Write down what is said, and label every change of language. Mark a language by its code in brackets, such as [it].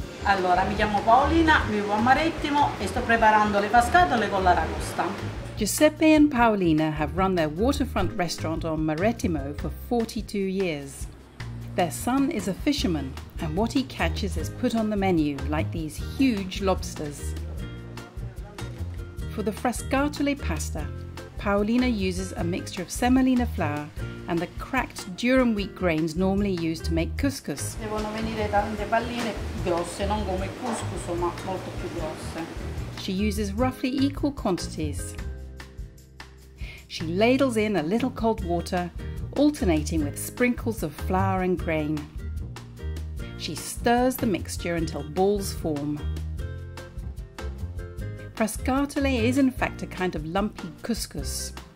[it] Allora, mi chiamo Paolina, vivo a Marettimo e sto preparando le frascatole con l'aragosta. [en] Giuseppe and Paolina have run their waterfront restaurant on Marettimo for 42 years. Their son is a fisherman, and what he catches is put on the menu, like these huge lobsters. For the frascatole pasta, Paolina uses a mixture of semolina flour and the cracked durum wheat grains normally used to make couscous. [it] Devono venire tante palline grosse, non come couscous, ma molto più grosse. [en] She uses roughly equal quantities. She ladles in a little cold water, alternating with sprinkles of flour and grain. She stirs the mixture until balls form. Frascatole is in fact a kind of lumpy couscous.